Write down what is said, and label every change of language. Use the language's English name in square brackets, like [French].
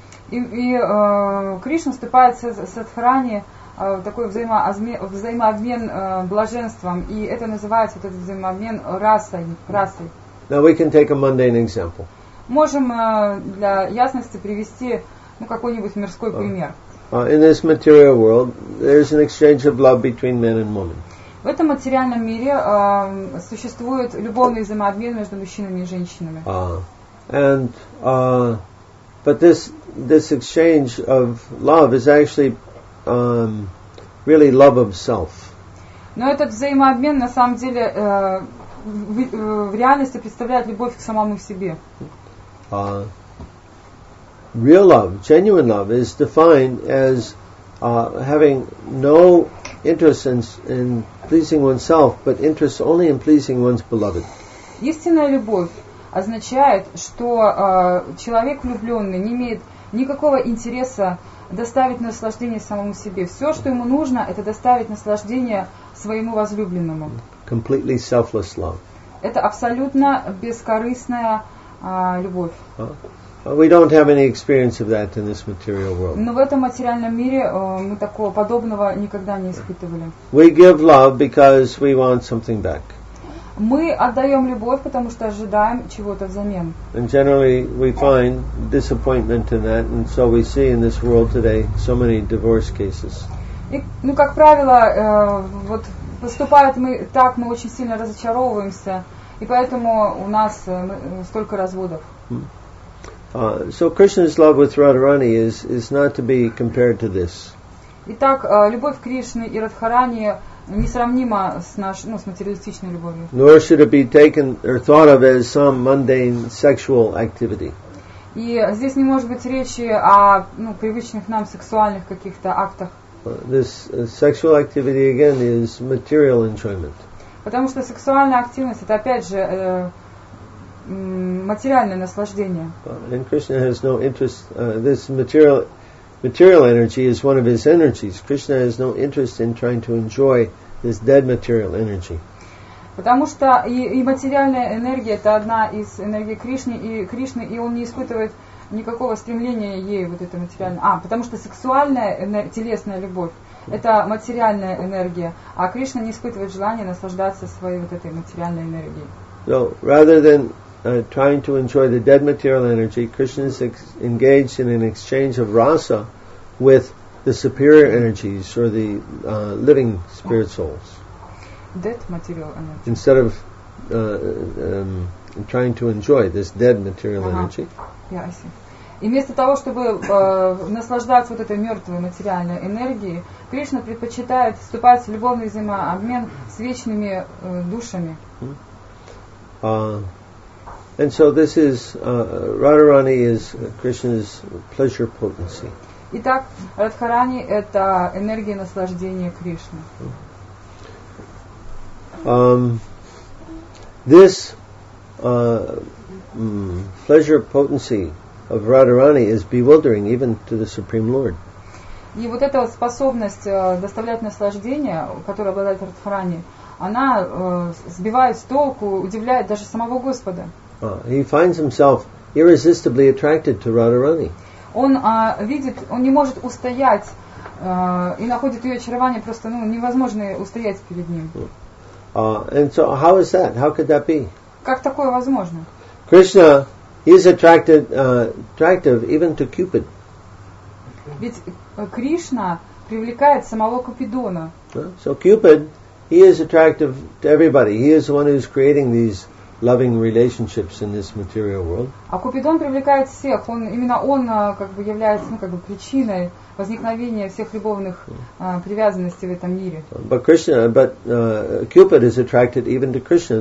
[Russian] И Кришна вступает с Радхарани такой взаимообмен блаженством, и это называется этот взаимообмен расой. [English] Now we can take a mundane example. [Russian] можем для ясности привести ну какой-нибудь мирской пример. [English] In this material world, there is an exchange of love between men and women. [Russian] В этом материальном мире существует любовный взаимообмен между мужчинами и женщинами. [English] And but this exchange of love is actually really love of self. [Russian] Но этот взаимообмен на самом деле в реальности представляет любовь к самому себе. [English] Real love, genuine love, is defined as having no interest in pleasing oneself, but interest only in pleasing one's beloved. [Russian] Истинная любовь означает, что человек влюбленный не имеет никакого интереса доставить наслаждение самому себе. Все, что ему нужно, это доставить наслаждение своему возлюбленному. [English] Completely selfless love. [Russian] Это абсолютно бескорыстная любовь. [English] We don't have any experience of that in this material world. [Russian] Но в этом материальном мире мы такого подобного никогда не испытывали. [English] We give love because we want something back. [Russian] Мы отдаем любовь, потому что ожидаем чего-то взамен. [English] And generally we find disappointment in that, and so we see in this world today so many divorce cases. [Russian] И, ну, как правило, вот поступают мы так, мы очень сильно разочаровываемся, и поэтому у нас столько разводов. [English] So Krishna's love with Radharani is not to be compared to this. [Russian] Итак, любовь Кришны и Радхарани несравнима с нашей, ну, с материалистичной любовью. [English] Nor should it be taken or thought of as some mundane sexual activity. [Russian] И здесь не может быть речи о, ну, привычных нам сексуальных каких-то актах. [English] This sexual activity again is material enjoyment. [Russian] Потому что сексуальная активность это опять же материальное наслаждение. [English] And Krishna has no interest. This material energy is one of his energies. Krishna has no interest in trying to enjoy this dead material energy. [Russian] Потому что и материальная энергия это одна из энергий Кришны, и он не испытывает никакого стремления ей вот это материальное. Потому что сексуальная телесная любовь это материальная энергия, а Кришна не испытывает желания наслаждаться своей вот этой материальной энергией. [English] So rather than trying to enjoy the dead material energy, Krishna is engaged in an exchange of rasa with the superior energies or the living spirit souls. Dead material energy. Instead of trying to enjoy this dead material energy. Yeah, I see. [Russian] И вместо того, чтобы наслаждаться вот этой мертвой материальной энергией, Кришна предпочитает вступать в любовный взаимообмен с вечными душами. [English] And so this is Radharani is Krishna's pleasure potency. [Russian] Итак, Радхарани это энергия наслаждения Кришны. [English] This pleasure potency of Radharani is bewildering even to the Supreme Lord. [Russian] И вот эта вот способность доставлять наслаждение, которое обладает Радхарани, она сбивает с толку, удивляет даже самого Господа. [English] He finds himself irresistibly attracted to Radharani. [Russian] Он видит, он не может устоять и находит ее очарование просто, ну, невозможно устоять перед ним. [English] And so how is that? How could that be? [Russian] Как такое возможно? [English] Krishna is attractive even to Cupid. [Russian] Ведь Кришна привлекает самого Купидона. [English] So Cupid, he is attractive to everybody. He is the one who is creating these loving relationships in this material world. [Russian] А Купидон привлекает всех. Он именно он как бы является, ну, как бы причиной возникновения всех любовных привязанностей в этом мире. [English] But Krishna, but Cupid is attracted even to Krishna.